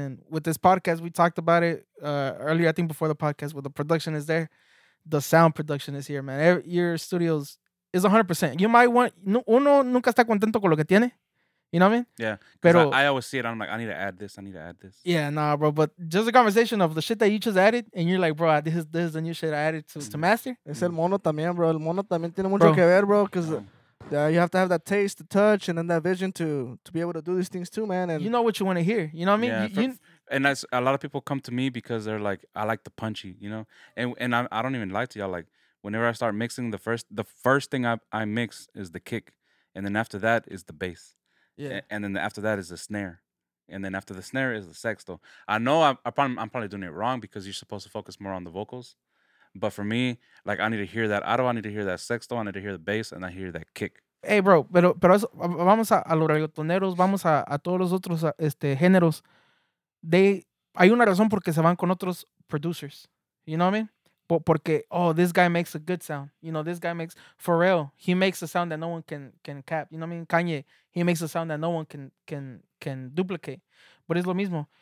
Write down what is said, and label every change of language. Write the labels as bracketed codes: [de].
[en] And with this podcast, we talked about it earlier, I think before the podcast, where the production is there, the sound production is here, man. Your studios is 100%. You might want, [es] uno nunca está contento con lo que tiene. [en] You know what I mean? Yeah. Pero, I always see it. I'm like, I need to add this. I need to add this. Yeah, nah, bro. But just a conversation of the shit that you just added, and you're like, bro, this is the new shit I added to master. [es] Es el mono también, bro. El mono también tiene mucho que ver, bro. [en] Because you have to have that taste, the touch, and then that vision to be able to do these things too, man. And you know what you want to hear. You know what I mean? Yeah. And that's, a lot of people come to me because they're like, I like the punchy, you know? And I don't even lie to y'all. Like, whenever I start mixing, the first thing I mix is the kick. And then after that is the bass. Yeah. And then after that is the snare. And then after the snare is the sexto. I know I'm probably doing it wrong because you're supposed to focus more on the vocals. But for me, like, I need to hear that. I need to hear that sexto. I need to hear the bass. And I hear that kick. Hey, bro. [es] Pero eso, vamos a los reggaetoneros. Vamos a todos los otros géneros. Hay una razón porque se van con otros producers. [en] You know what I mean? Porque, oh, this guy makes a good sound. You know, this guy makes, for real, he makes a sound that no one can cap. You know what I mean? Kanye, he makes a sound that no one can duplicate. But it's [es] lo mismo.